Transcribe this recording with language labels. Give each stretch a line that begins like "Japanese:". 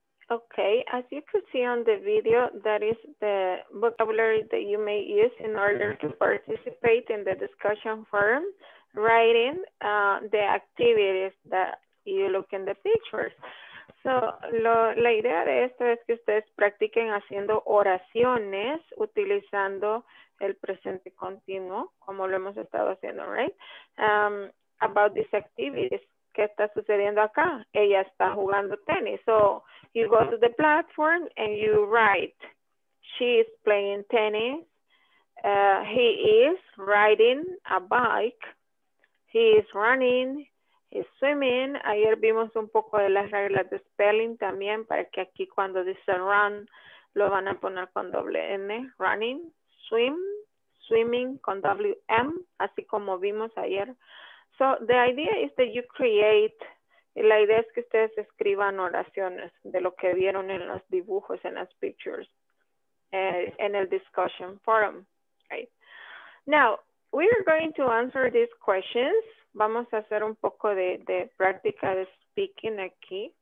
English: Okay, as you could see on the video, that is the vocabulary that you may use in order to participate in the discussion forum, writing the activities that you look in the pictures.
Spanish: So la idea de esto es que ustedes practiquen haciendo oraciones utilizando el presente continuo, como lo hemos estado haciendo, right?
English: About these activities,
Spanish: ¿qué está sucediendo acá? Ella está jugando tenis.
English: So you go to the platform and you write, she is playing tennis, he is riding a bike, he is running, he's swimming.
Spanish: Ayer vimos un poco de las reglas de spelling también, para que aquí cuando dice run, lo van a poner con doble N, running, swim, swimming con WM, así como vimos ayer.
English: So the idea is that you create,
Spanish: la idea es que ustedes escriban oraciones de lo que vieron en los dibujos, en las pictures, en el discussion forum. Right?
English: Now, we are going to answer these questions.
Spanish: Vamos a hacer un poco de práctica de speaking aquí.